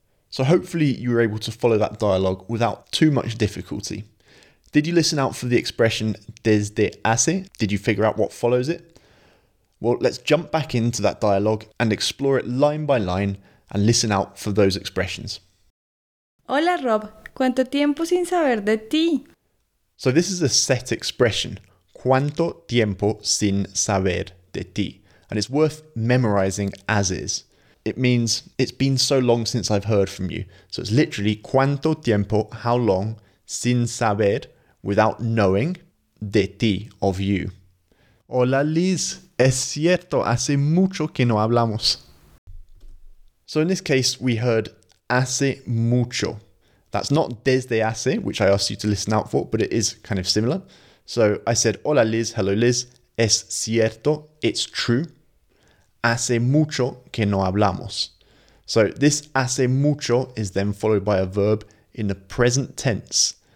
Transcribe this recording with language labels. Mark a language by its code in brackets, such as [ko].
[en] So hopefully you were able to follow that dialogue without too much difficulty. Did you listen out for the expression desde hace? Did you figure out what follows it? Well, let's jump back into that dialogue and explore it line by line and listen out for those expressions. [es] Hola Rob, ¿cuánto tiempo sin saber de ti? [en] So this is a set expression, [es] ¿cuánto tiempo sin saber de ti? [en] And it's worth memorizing as is. It means it's been so long since I've heard from you. So it's literally [es] ¿cuánto tiempo, [en] how long, [es] sin saber, [en] without knowing, [es] de ti, [en] of you? Hola Liz, es cierto, hace mucho que no hablamos. So in this case, we heard hace mucho. That's not desde hace, which I asked you to listen out for, but it is kind of similar. So I said, [es] hola Liz, [en] hello Liz, [es] es cierto, [en] it's true. [es] Hace mucho que no hablamos. [en] So this hace mucho is then followed by a verb in the present tense.